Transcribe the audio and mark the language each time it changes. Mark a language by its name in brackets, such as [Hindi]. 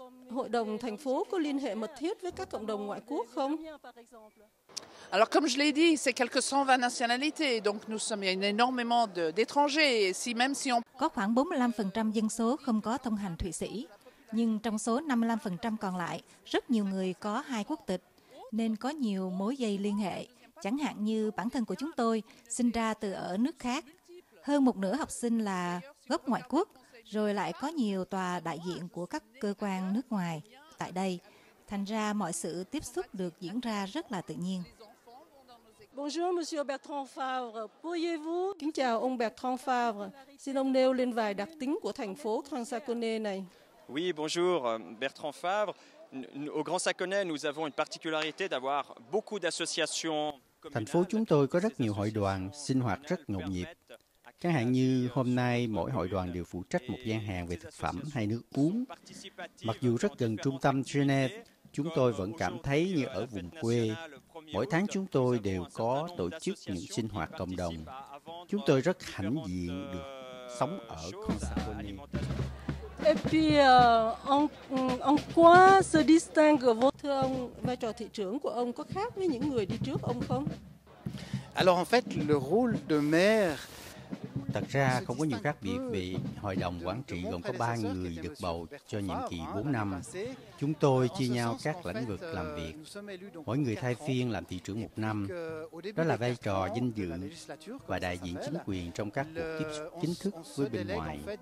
[Vietnamese] Hội đồng thành phố có liên hệ mật thiết với các cộng đồng ngoại quốc không? [French] Alors comme je l'ai dit, c'est quelques 120 nationalités, donc nous sommes énormément d'étrangers, si même si on [Vietnamese] có khoảng 45% dân số không có thông hành Thụy Sĩ, nhưng trong số 55% còn lại, rất nhiều người có hai quốc tịch nên có nhiều mối dây liên hệ, chẳng hạn như bản thân của chúng tôi sinh ra từ ở nước khác, hơn một nửa học sinh là gốc ngoại quốc, rồi lại có nhiều tòa đại diện của các cơ quan nước ngoài tại đây. Thành ra mọi sự tiếp xúc được diễn ra rất là tự nhiên. [French] Bonjour monsieur Bertrand Favre, pourriez-vous? [Vietnamese] Kính chào ông Bertrand Favre, xin ông nêu lên vài đặc tính của thành phố Kansakone này. [French] Oui, bonjour Bertrand Favre. Au Grand Sacconnet, nous avons une particularité d'avoir beaucoup d'associations. [Vietnamese] Thành phố chúng tôi có rất nhiều hội đoàn, sinh hoạt rất nhộn nhịp. Chẳng hạn như hôm nay, mỗi hội đoàn đều phụ trách một gian hàng về thực phẩm hay nước uống. Mặc dù rất gần trung tâm Genève, chúng tôi vẫn cảm thấy như ở vùng quê. Mỗi tháng chúng tôi đều có tổ chức những sinh hoạt cộng đồng. Chúng tôi rất hãnh diện được sống ở Grand Sacconnet. [French] Et puis, en quoi se distingue votre... [Vietnamese] Thưa ông, vai trò thị trưởng của ông có khác với những người đi trước ông không? [French] Alors en fait, le rôle de maire... [Vietnamese] Thật ra không có nhiều khác biệt vì hội đồng quản trị gồm có 3 người được bầu cho nhiệm kỳ 4 năm. Chúng tôi chia nhau các lĩnh vực làm việc. Mỗi người thay phiên làm thị trưởng 1 năm. Đó là vai trò dinh dự và đại diện chính quyền trong các cuộc tiếp xúc chính thức với bên ngoài.